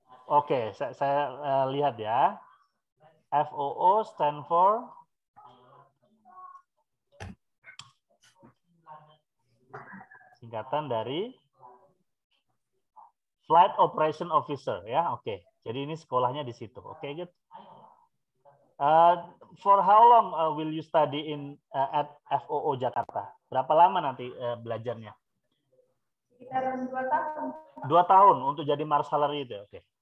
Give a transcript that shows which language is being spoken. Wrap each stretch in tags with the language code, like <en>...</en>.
<id>Oke, saya lihat ya.</id> <en>FOO stand for?</en> <id>Singkatan dari Flight Operation Officer ya, oke. Jadi ini sekolahnya di situ, oke, good.</id> <en>For how long will you study in at FOO Jakarta?</en> <id>Berapa lama nanti belajarnya? Sekitar 2 tahun. 2 tahun untuk jadi marshaler itu, oke.</id>